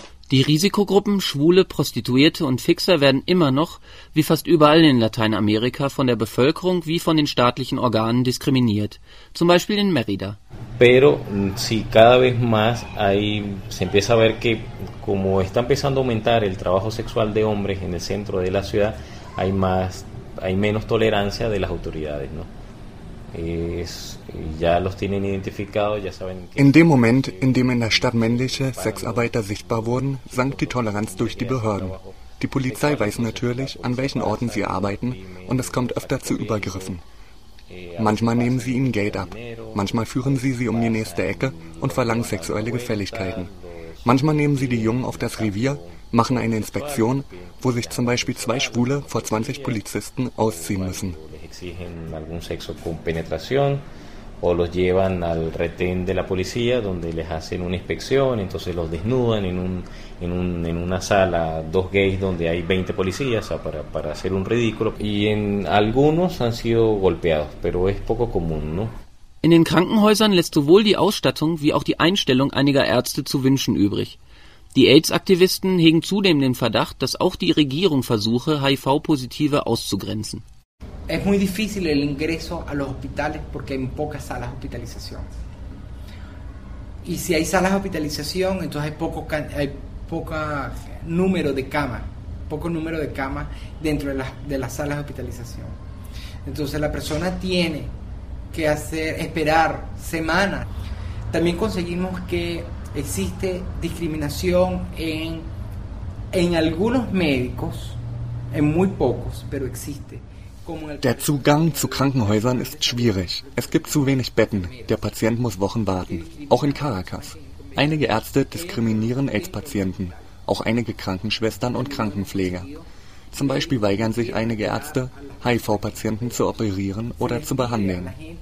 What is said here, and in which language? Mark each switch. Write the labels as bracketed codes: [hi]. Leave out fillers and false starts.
[de] Die Risikogruppen Schwule, Prostituierte und Fixer werden immer noch, wie fast überall in Lateinamerika, von der Bevölkerung wie von den staatlichen Organen diskriminiert, zum Beispiel in Mérida. [es] Pero si cada vez más ahí se empieza a ver que como está empezando a aumentar el trabajo sexual de hombres en el centro de la ciudad, hay menos tolerancia de las autoridades, ¿no? [de] In dem Moment, in dem in der Stadt männliche Sexarbeiter sichtbar wurden, sank die Toleranz durch die Behörden. Die Polizei weiß natürlich, an welchen Orten sie arbeiten, und es kommt öfter zu Übergriffen. Manchmal nehmen sie ihnen Geld ab, manchmal führen sie sie um die nächste Ecke und verlangen sexuelle Gefälligkeiten. Manchmal nehmen sie die Jungen auf das Revier, machen eine Inspektion, wo sich zum Beispiel zwei Schwule vor 20 Polizisten ausziehen müssen. [es] Exigen algún sexo con penetración o los llevan al retén de la policía donde les hacen una inspección, entonces los desnudan en una sala dos gays donde hay 20 policías para hacer un ridículo y en algunos han sido golpeados, pero es poco común, ¿no? [de] In den Krankenhäusern lässt sowohl die Ausstattung wie auch die Einstellung einiger Ärzte zu wünschen übrig. Die AIDS-Aktivisten hegen zudem den Verdacht, dass auch die Regierung versuche, HIV-Positive auszugrenzen. [es] Es muy difícil el ingreso a los hospitales porque hay pocas salas de hospitalización. Y si hay salas de hospitalización, entonces hay poco número de camas, poco número de camas dentro de las salas de hospitalización. Entonces la persona tiene que esperar semanas. También conseguimos que existe discriminación en algunos médicos, en muy pocos, pero existe. [de] Der Zugang zu Krankenhäusern ist schwierig. Es gibt zu wenig Betten. Der Patient muss Wochen warten. Auch in Caracas. Einige Ärzte diskriminieren AIDS-Patienten. Auch einige Krankenschwestern und Krankenpfleger. Zum Beispiel weigern sich einige Ärzte, HIV-Patienten zu operieren oder zu behandeln.